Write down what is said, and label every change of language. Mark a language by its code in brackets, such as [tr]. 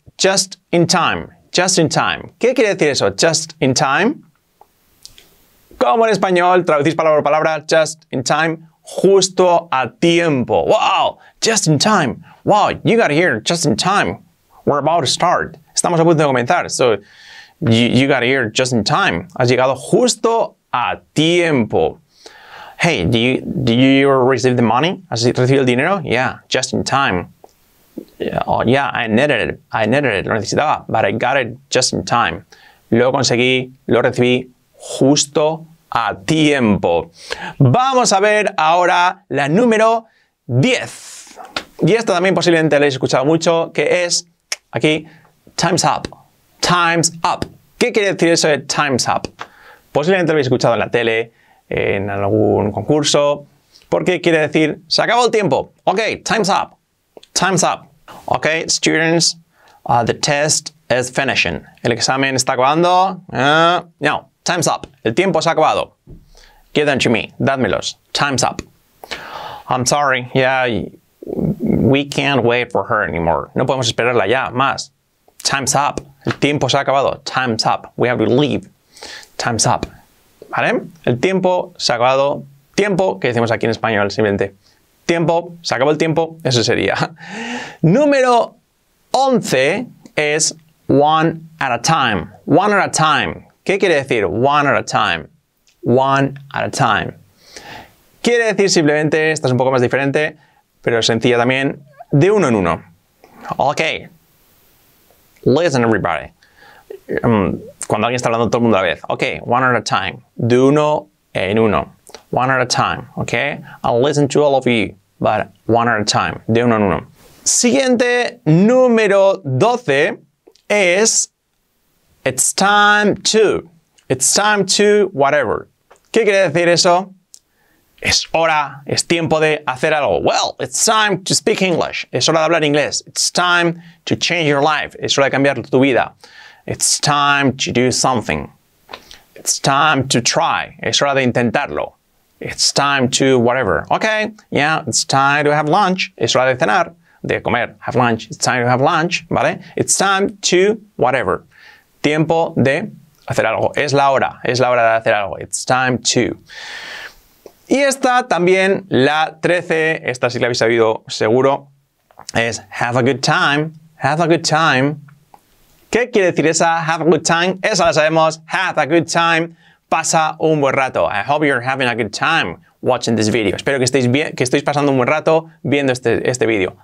[en] Just in time. [es] ¿Qué quiere decir eso? [en] Just in time. [es] Como en español, traducís palabra por palabra, just in time, justo a tiempo. [en] Wow, just in time. Wow, you got here just in time. We're about to start. [es] Estamos a punto de comenzar. [en] So, you got here just in time. [es] Has llegado justo a tiempo. [en] Hey, do you receive the money? [es] ¿Has recibido el dinero? [en] Yeah, just in time. Yeah, I needed it. [es] Lo necesitaba, [en] but I got it just in time. [es] Lo conseguí, lo recibí justo a tiempo. Vamos a ver ahora la número 10. Y esto también posiblemente lo hayáis escuchado mucho, que es aquí, [en] time's up. Time's up. [es] ¿Qué quiere decir eso de time's up? Posiblemente lo habéis escuchado en la tele, en algún concurso. ¿Por qué quiere decir se acabó el tiempo? [en] Ok, time's up. Time's up. Ok, students, the test is finishing. [es] El examen está acabando. No. [en] Time's up. [es] El tiempo se ha acabado. [en] Give them to me. [es] Dádmelos. [en] Time's up. I'm sorry. Yeah, we can't wait for her anymore. [es] No podemos esperarla ya más. [en] Time's up. [es] El tiempo se ha acabado. [en] Time's up. We have to leave. Time's up. [es] ¿Vale? El tiempo se ha acabado. Tiempo, que decimos aquí en español simplemente. Tiempo, se acabó el tiempo. Eso sería. Número 11 es one at a time. [en] One at a time. [es] ¿Qué quiere decir? [en] One at a time. One at a time. [es] Quiere decir simplemente, esta es un poco más diferente, pero sencilla también, de uno en uno. [en] Ok. Listen, everybody. [es] cuando alguien está hablando todo el mundo a la vez. [en] Ok, one at a time. [es] De uno en uno. [en] One at a time, ok? I'll listen to all of you, but one at a time. [es] De uno en uno. Siguiente, número 12, es it's time to. [en] It's time to whatever. [es] ¿Qué quiere decir eso? Es hora, es tiempo de hacer algo. [en] Well, it's time to speak English. [es] Es hora de hablar inglés. [en] It's time to change your life. [es] Es hora de cambiar tu vida. [en] It's time to do something. It's time to try. [es] Es hora de intentarlo. [en] It's time to whatever. Okay, yeah, it's time to have lunch. [es] Es hora de cenar, de comer. [en] Have lunch. It's time to have lunch. [es] ¿Vale? [en] It's time to whatever. [es] Tiempo de hacer algo. Es la hora. Es la hora de hacer algo. [en] It's time to. [es] Y esta también, la 13, esta sí la habéis sabido seguro, es [en] have a good time, have a good time. [es] ¿Qué quiere decir esa have a good time? Esa la sabemos, have a good time, pasa un buen rato. [en] I hope you're having a good time watching this video. [es] Espero que estéis bien, que estéis pasando un buen rato viendo este video.